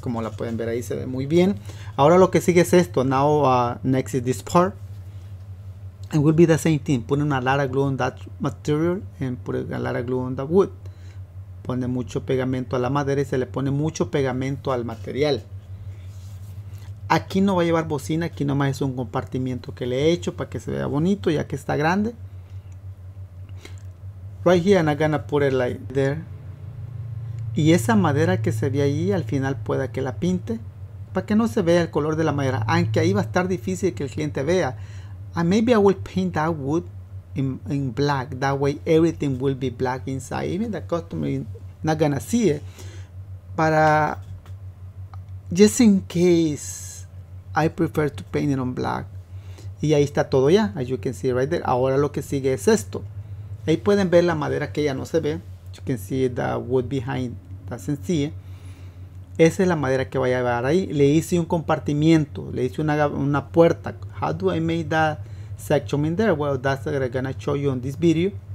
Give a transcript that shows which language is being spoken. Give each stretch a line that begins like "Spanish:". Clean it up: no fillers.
Spanish: Como la pueden ver ahí se ve muy bien. Ahora lo que sigue es esto.
English: Now next is this part. It will be the same thing.
Spanish: Pone una
English: lot of glue on that material. And put a lot of glue on the wood.
Spanish: Pone mucho pegamento a la madera. Y se le pone mucho pegamento al material. Aquí no va a llevar bocina. Aquí nomás es un compartimiento que le he hecho. Para que se vea bonito. Ya que está grande.
English: Right here, and I'm gonna put it like there.
Spanish: Y esa madera que se ve ahí, al final pueda que la pinte, para que no se vea el color de la madera. Aunque ahí va a estar difícil que el cliente vea.
English: And maybe I will paint that wood in black. That way everything will be black inside. Even the customer is not gonna see it. Para just in case, I prefer to paint it on black.
Spanish: Y ahí está todo ya,
English: as you can see right there.
Spanish: Ahora lo que sigue es esto. Ahí pueden ver la madera que ya no se ve.
English: You can see the wood behind. Doesn't see it.
Spanish: Esa es la madera que voy a llevar ahí. Le hice un compartimiento. Le hice una puerta.
English: How do I make that section in there? Well, that's what I'm going to show you on this video.